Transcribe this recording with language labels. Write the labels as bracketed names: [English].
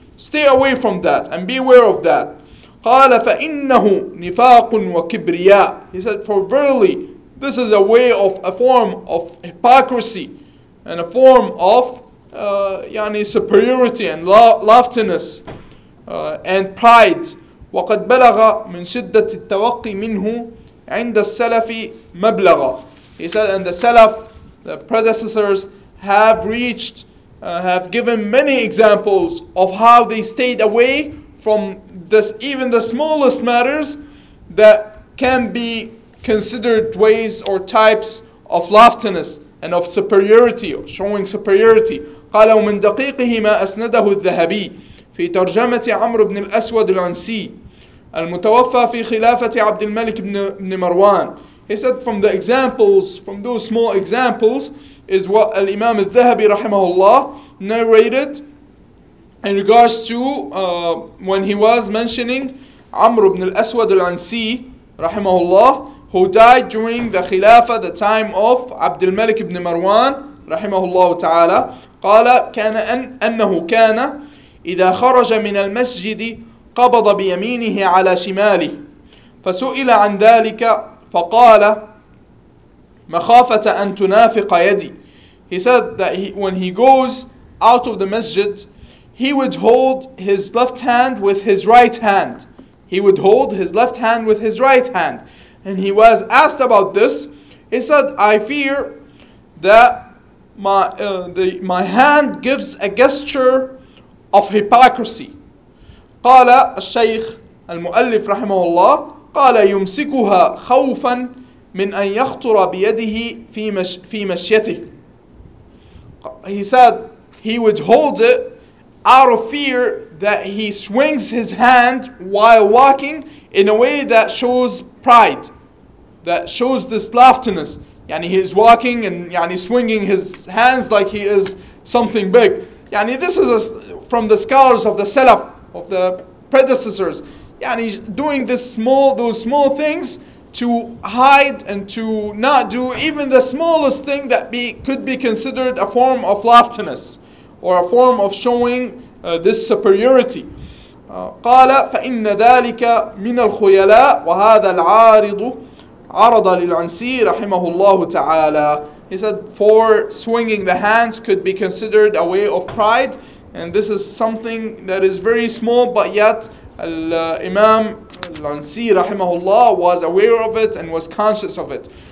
[English] Stay away from that and be aware of that. [Arabic] قال فإنه نفاق وكبرياء. [English] He said, for verily, this is a way of a form of hypocrisy and a form of superiority and loftiness and pride. [Arabic] وقد بلغ من شدة التوقي منه عند السلف مبلغا. [English] He said, and the Salaf, the predecessors, have given many examples of how they stayed away from this, even the smallest matters that can be considered ways or types of loftiness and of superiority, showing superiority. [Arabic] قال ومن دقيقه ما أسنده الذهبي في ترجمة عمرو بن الأسود العنسي المتوفى في خلافة عبد الملك بن مروان. [English] He said from the examples, from those small examples, is what Al-Imam al-Dhahabi rahimahullah narrated in regards to when he was mentioning عمرو بن الأسود العنسي rahimahullah, who died during the Khilafah, the time of عبد الملك بن مروان rahimahullah ta'ala. [Arabic] قال كان أنه كان إذا خرج من المسجد قبض بيمينه على شماله، فسئل عن ذلك فقال مخافة أن تنافق يدي. [English] He said that when he goes out of the masjid, he would hold his left hand with his right hand. He would hold his left hand with his right hand. And he was asked about this. He said, I fear that my hand gives a gesture of hypocrisy. [Arabic] قال الشيخ المؤلف رحمه الله قال يمسكها خوفا من أن يخطر بيده في مشيته. [English] He said he would hold it out of fear that he swings his hand while walking in a way that shows pride, that shows this loftiness. يعني he is walking and يعني swinging his hands like he is something big. يعني this is from the scholars of the Salaf of the predecessors. Yani doing this small, those small things to hide and to not do even the smallest thing that be could be considered a form of loftiness or a form of showing this superiority. [Arabic] قال فإن ذلك من الخيلاء وهذا العارض عرض للعنسي رحمه الله تعالى. [English] He said, for swinging the hands could be considered a way of pride, and this is something that is very small, but yet Imam Al-Ansi rahimahullah was aware of it and was conscious of it.